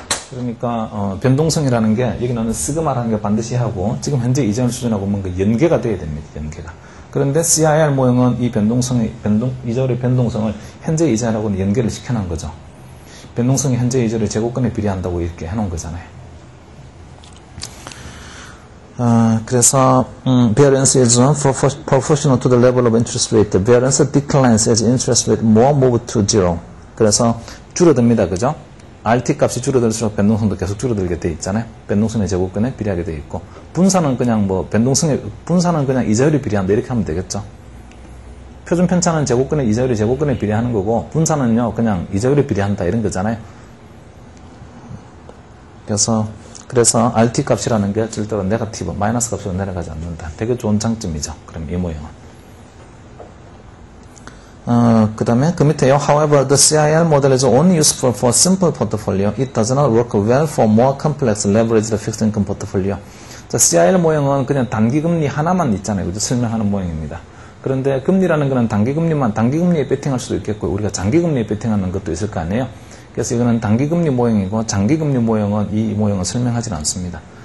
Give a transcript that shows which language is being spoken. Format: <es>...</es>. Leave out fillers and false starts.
<ko>그러니까 변동성이라는 게 여기는 시그마라는 게 반드시 하고 지금 현재 이자율 수준하고 뭔가 연계가 돼야 됩니다. 연계가. 그런데 CIR 모형은 이 이자율의 변동성을 현재 이자율하고는 연계를 시켜놓은 거죠. 변동성이 현재 이자율의 제곱근에 비례한다고 이렇게 해놓은 거잖아요. 그래서</ko> <en>variance is proportional to the level of interest rate. Variance declines as interest rate more move to zero.</en> <ko>그래서 줄어듭니다. 그죠? RT 값이 줄어들수록 변동성도 계속 줄어들게 돼 있잖아요. 변동성의 제곱근에 비례하게 돼 있고 분산은 그냥 뭐 분산은 그냥 이자율이 비례한다 이렇게 하면 되겠죠. 표준편차는 제곱근의 이자율이 제곱근에 비례하는 거고 분산은요 그냥 이자율이 비례한다 이런 거잖아요. 그래서 RT 값이라는 게 절대로 네거티브 마이너스 값으로 내려가지 않는다. 되게 좋은 장점이죠. 그럼 이 모형은. 그 다음에 그 밑에요.</ko> <en>However, the CIR model is only useful for simple portfolio. It does not work well for more complex leveraged fixed income portfolio.</en> <ko>자, CIR 모형은 그냥 단기금리 하나만 있잖아요. 그죠? 설명하는 모형입니다. 그런데 금리라는 거는 단기금리에 베팅할 수도 있겠고, 우리가 장기금리에 베팅하는 것도 있을 거 아니에요. 그래서 이거는 단기금리 모형이고, 장기금리 모형은 이 모형을 설명하지는 않습니다.</ko>